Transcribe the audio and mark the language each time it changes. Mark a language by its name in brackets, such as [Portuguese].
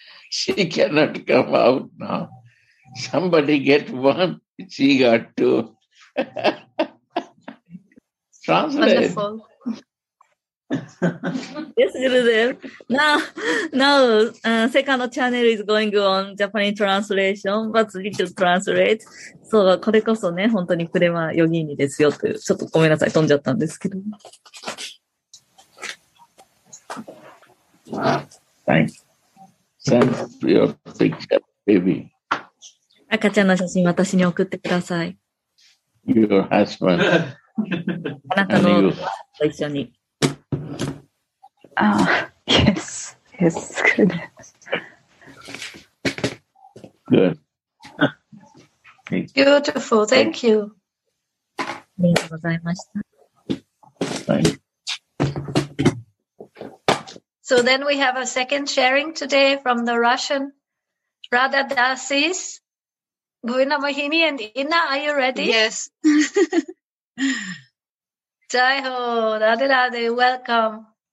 [English] She cannot come out now. Somebody get one, she got two. Translate. Wonderful. Yes, Gurudev. Now, second channel is going on Japanese translation, but we should translate. So, [Japanese] これこそね、本当にプレマヨギーニですよという、ちょっとごめんなさい、飛んじゃったんですけど。 [English] Thanks. Send your picture, baby. [Japanese] 赤ちゃんの写真、私に送ってください。 [English] Your husband. [Japanese] あなたの夫と一緒に。 [English] Yes, good. Good. Beautiful, thank you. [Japanese] ありがとうございました。 [English] So then we have a second sharing today from the Russian Radha Dasis, Bhuvana Mohini and Inna, are you ready? Yes. Jai ho, Radhe Radhe, welcome.